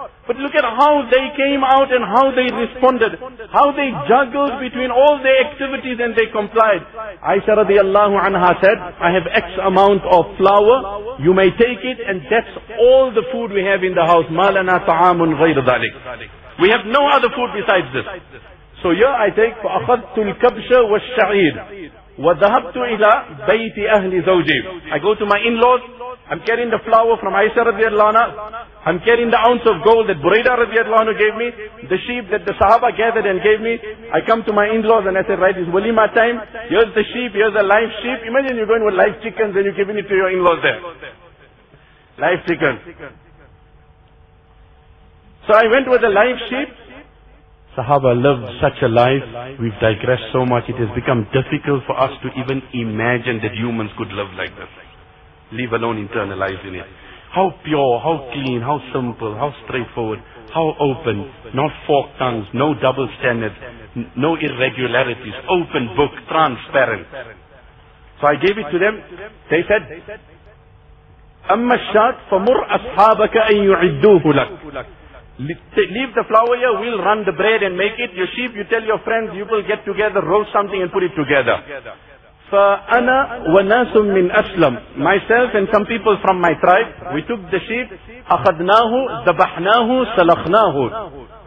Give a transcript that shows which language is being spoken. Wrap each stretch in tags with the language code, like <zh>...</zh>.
<en>But look at how they came out and how they responded. How they juggled between all their activities and they complied. Aisha radiallahu anha said, I have X amount of flour, you may take it, and that's all the food we have in the house.</en> <ar>مَالَنَا تَعَامٌ غَيْرَ ذَلِكَ.</ar> <en>We have no other food besides this. So here I take,</en> <ar>فَأَخَذْتُ الْكَبْشَ وَالشَّعِيرِ وَذَهَبْتُ إِلَىٰ بَيْتِ أَهْلِ زَوْجِي.</ar> <en>I go to my in-laws, I'm carrying the flour from Aisha radiallahu anha, I'm carrying the ounce of gold that Burayda radiallahu anhu gave me, the sheep that the Sahaba gathered and gave me. I come to my in-laws and I said, right, it's walima time, here's the sheep, here's a live sheep. Imagine you're going with live chickens and you're giving it to your in-laws there. Live chicken. So I went with a live sheep. Sahaba lived such a life. We've digressed so much, it has become difficult for us to even imagine that humans could live like this, leave alone internalizing it. How pure, how clean, how simple, how straightforward, how open, not forked tongues, no double standards, no irregularities, open book, transparent. So I gave it to them. They said,</en> <ar>أَمَّا الشَّاتْ فَمُرْ أَصْحَابَكَ أَن يُعِدُّوهُ لَكْ.</ar> <en>Leave the flour here, we'll run the bread and make it. Your sheep, you tell your friends, you will get together, roll something and put it together.</en> <ar>فَأَنَا وَنَاسٌ مِّنْ أَسْلَمْ.</ar> <en>Myself and some people from my tribe, we took the sheep,</en> <ar>أَخَذْنَاهُ ذَبَحْنَاهُ سَلَخْنَاهُ.</ar>